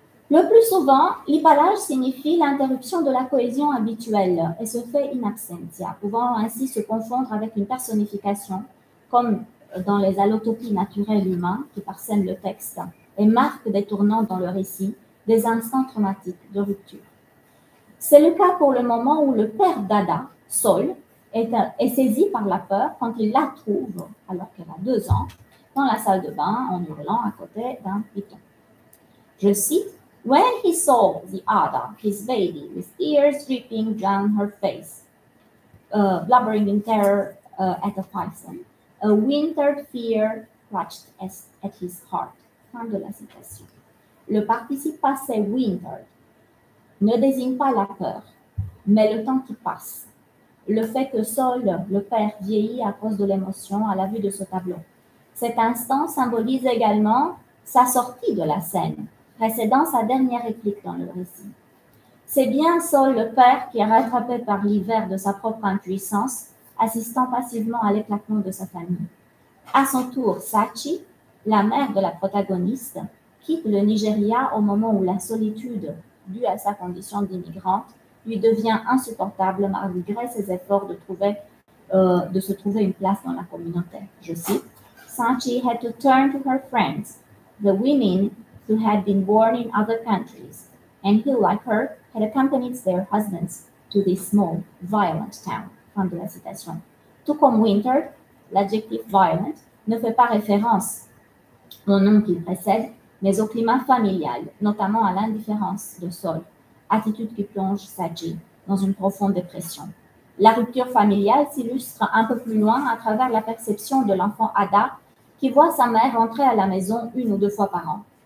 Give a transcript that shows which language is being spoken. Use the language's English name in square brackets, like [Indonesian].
[French] Le plus souvent, l'hypallage signifie l'interruption de la cohésion habituelle et se fait in absentia, pouvant ainsi se confondre avec une personnification, comme dans les allotopies naturelles humaines qui parsèment le texte et marquent des tournants dans le récit, des instants traumatiques de rupture. C'est le cas pour le moment où le père d'Ada, Saul, est saisi par la peur quand il la trouve, alors qu'elle a 2 ans, dans la salle de bain en hurlant à côté d'un python. Je cite, [English] « When he saw the Ada, his baby, with tears dripping down her face, blubbering in terror at the python, a winter fear clutched at his heart. » [French] Fin de la citation. Le participe passé « winter » ne désigne pas la peur, mais le temps qui passe. Le fait que Saul, le père, vieillit à cause de l'émotion à la vue de ce tableau. Cet instant symbolise également sa sortie de la scène, précédant sa dernière réplique dans le récit. C'est bien Saul, le père, qui est rattrapé par l'hiver de sa propre impuissance, assistant passivement à l'éclatement de sa famille. À son tour, Sachi, la mère de la protagoniste, quitte le Nigeria au moment où la solitude, due à sa condition d'immigrante, lui devient insupportable malgré ses efforts de se trouver une place dans la communauté. Je cite, [English] « Sachi had to turn to her friends, the women who had been born in other countries, and who, like her, had accompanied their husbands to this small, violent town. » [French] Fin de la citation. Tout comme Winter, l'adjectif « violent » ne fait pas référence au nom qu'il précède, mais au climat familial, notamment à l'indifférence de Saul, attitude qui plonge Sachi dans une profonde dépression. La rupture familiale s'illustre un peu plus loin à travers la perception de l'enfant Ada qui voit sa mère rentrer à la maison 1 ou 2 fois par an.